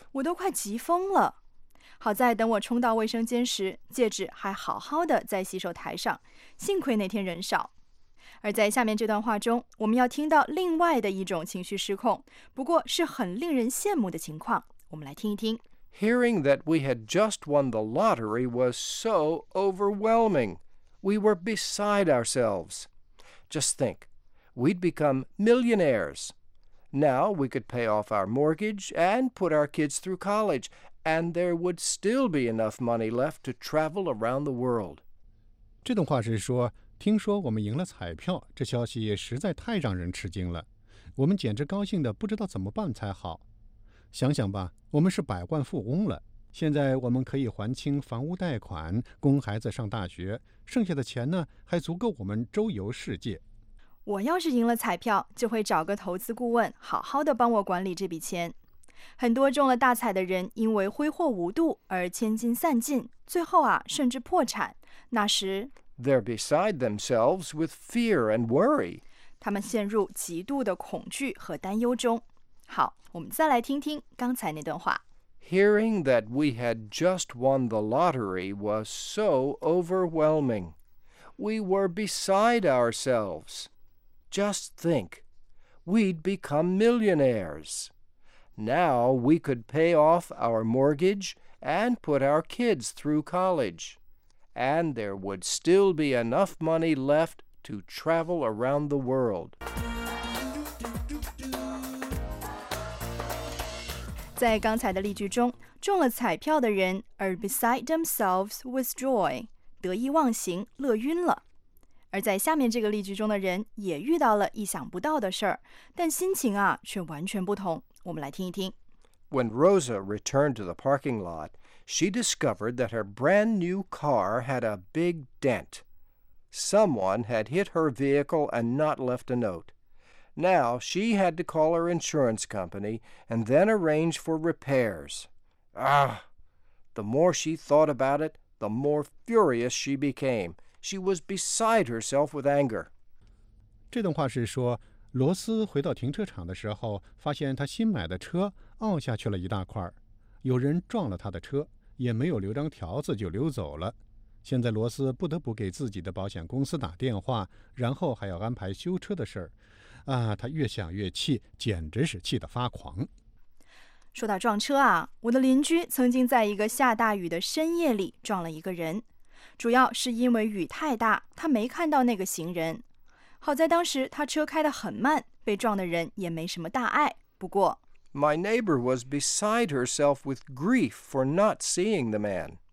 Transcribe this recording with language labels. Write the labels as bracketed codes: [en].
[zh] 我都快急疯了。好在等我冲到卫生间时，戒指还好好的在洗手台上。幸亏那天人少。而在下面这段话中，我们要听到另外的一种情绪失控，不过是很令人羡慕的情况。我们来听一听。 [en] Hearing that we had just won the lottery was so overwhelming. We were beside ourselves. Just think, we'd become millionaires. Now we could pay off our mortgage and put our kids through college, and there would still be enough money left to travel around the world. [zh] 这段话是说听说我们赢了彩票，这消息也实在太让人吃惊了。我们简直高兴得不知道怎么办才好。想想吧，我们是百万富翁了。现在我们可以还清房屋贷款，供孩子上大学，剩下的钱呢，还足够我们周游世界。我要是赢了彩票，就会找个投资顾问，好好的帮我管理这笔钱。很多中了大彩的人，因为挥霍无度而千金散尽，最后啊，甚至破产。那时 [en] They're beside themselves with fear and worry. [zh] 他们陷入极度的恐惧和担忧中。好，我们再来听听刚才那段话。 [en] Hearing that we had just won the lottery was so overwhelming. we were beside ourselves. Just think, we'd become millionaires. Now we could pay off our mortgage and put our kids through college. And there would still be enough money left to travel around the world. [zh] 在刚才的例句中，中了彩票的人 [en] are beside themselves with joy， [zh] 得意忘形，乐晕了。而在下面这个例句中的人也遇到了意想不到的事儿，但心情啊却完全不同。我们来听一听。 [en] When Rosa returned to the parking lot, she discovered that her brand new car had a big dent. Someone had hit her vehicle and not left a note. Now, she had to call her insurance company and then arrange for repairs. Ah! The more she thought about it, the more furious she became. She was beside herself with anger. [zh] 这段话是说，罗斯回到停车场的时候，发现他新买的车凹下去了一大块。有人撞了他的车，也没有留张条子就溜走了。现在罗斯不得不给自己的保险公司打电话，然后还要安排修车的事儿。啊，他越想越气，简直是气得发狂。说到撞车啊，我的邻居曾经在一个下大雨的深夜里撞了一个人，主要是因为雨太大，他没看到那个行人。好在当时他车开得很慢，被撞的人也没什么大碍。不过 [en] ，My neighbor was beside herself with grief for not seeing the man。